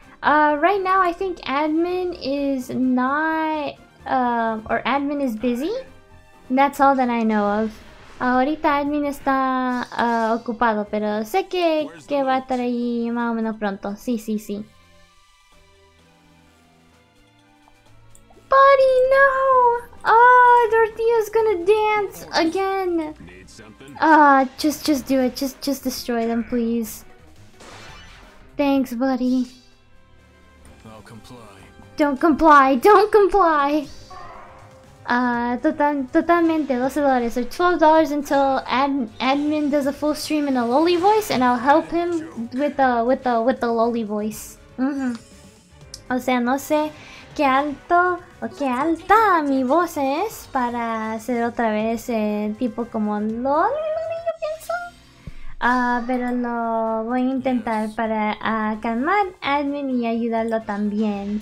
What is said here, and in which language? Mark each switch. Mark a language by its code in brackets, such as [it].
[en] Right now I think admin is not or admin is busy. That's all that I know of. [es] Ahorita admin está ocupado, pero sé que va a estar ahí más o menos pronto. Sí, sí, sí. [en] Buddy, no! Oh, Dorothea's gonna dance again! Just do it. Just destroy them, please. Thanks, buddy. I'll comply. Don't comply! Don't comply! Totalmente, $12. So $12 until admin does a full stream in a lowly voice, and I'll help him with the lowly voice. [es] Mm-hmm. O sea, no sé qué alto o qué alta mi voz es para hacer otra vez tipo como lowly, yo pienso. Pero lo voy a intentar para calmar admin y ayudarlo también.